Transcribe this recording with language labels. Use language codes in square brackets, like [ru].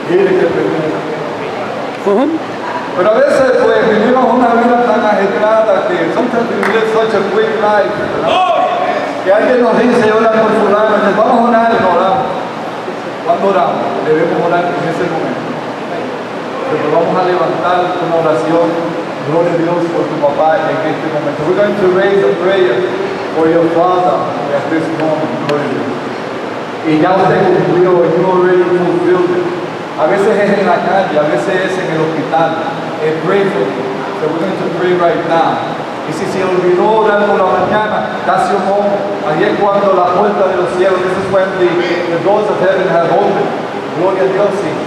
[es] Mire qué pregunta. Pero a veces, pues, vivimos una vida tan ajetrada que [en] sometimes we live such a quick life, [es] que alguien nos dice, ora por fulano, dice, vamos a orar, no oramos. ¿Cuándo oramos? Debemos orar en ese momento. Pero vamos a levantar una oración, gloria a Dios por tu papá en este momento. [en] We're going to raise a prayer for your father at this moment, [es] gloria a Dios. Y ya usted cumplió, [en] you already fulfilled it. [es] A veces es en la calle, a veces es en el hospital. [en] Pray for you. So we're going to pray right now. [es] Y si se olvidó orar por la mañana, casi un momento, ahí es cuando la puerta de los cielos, [en] this is when the doors of heaven have opened. [es] Gloria a Dios, sí.